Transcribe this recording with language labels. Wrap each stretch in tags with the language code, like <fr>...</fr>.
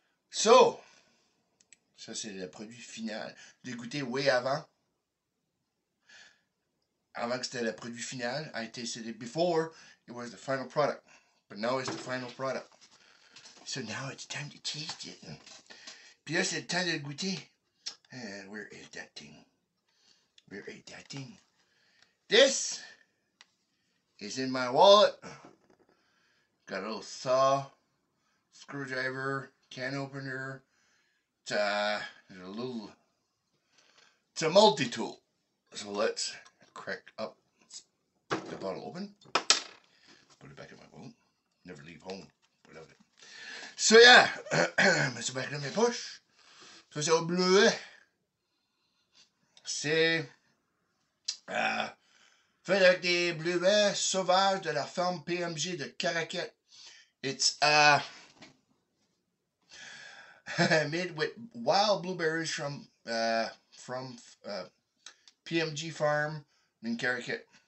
<fr>So, ça c'est le produit final. J'ai goûté way avant. Avant que c'était le produit final,</fr> <en>I tasted it before. It was the final product, but now it's the final product. So now it's time to taste it.</en> <fr>Puis là, c'est le temps de goûter.</fr> <en>Where is that thing? Where is that thing? This is in my wallet. Got a little saw, screwdriver, can opener. It's a little, it's a multi-tool. So let's crack up the bottle open. Put it back in my room. Never leave home without it. So yeah,</en> <fr>mets ça</fr> <en>back in my</en> <fr>poche. So c'est au Bleuet. C'est fait avec des bleuets sauvages de la ferme PMG de Caraquet.</fr> <en>It's made with wild blueberries from PMG farm in Caraquet.</en>